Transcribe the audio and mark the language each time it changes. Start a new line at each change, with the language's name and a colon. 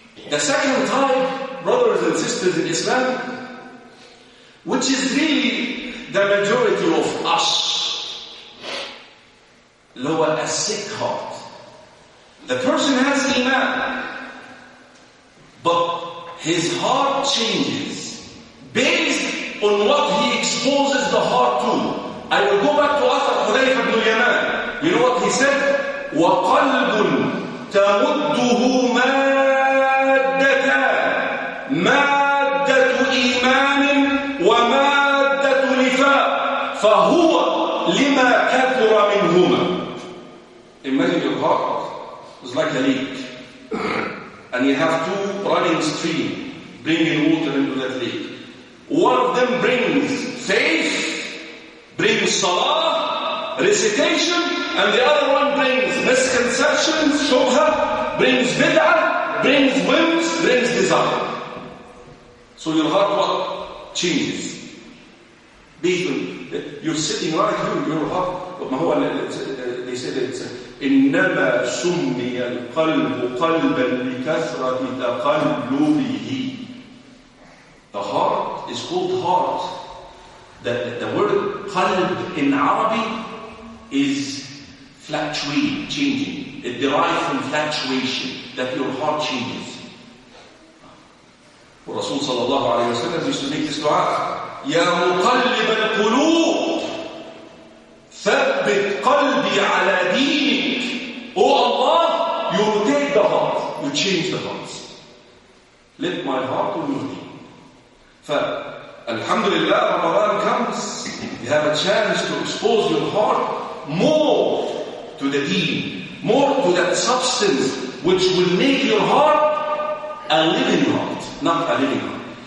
English: The second type, brothers and sisters in Islam, which is really the majority of us, lower a sick heart. The person has iman, but his heart changes based on what he exposes the heart to. I will go back to Asad Hudayf ibn Yaman. You know what he said?
Arabic: وَقَلْبٌ تَمُدُّهُ مَادَّةً مَادَّةُ إِيمَانٍ وَمَادَّةُ نِفَاقٍ فَهُوَ لِمَا كَثُرَ مِنْهُمَا.
English: Imagine your heart. like a lake. And you have two running streams bringing water into that lake. One of them brings faith, brings salah, recitation, and the other one brings misconceptions, shubha, brings bid'ah, brings whims, brings desire. So your heart what? Changes. Even you're sitting right here, your heart. They said it's
Arabic: إنما سمي القلب قلبا لكثرة تقلبه.
English: The heart is called heart. The word قلب in Arabic is fluctuating, changing. It derives from fluctuation, that your heart changes.
Arabic: Rasul صلى الله عليه وسلم
English: used to make this dua,
Arabic: يا مقلب القلوب ثبت قلبي على دينك.
English: O Allah, you rotate the heart, you change the hearts. Let my heart to your deen. Alhamdulillah, Ramadan comes, you have a chance to expose your heart more to the deen, more to that substance which will make your heart a living heart, not a living heart.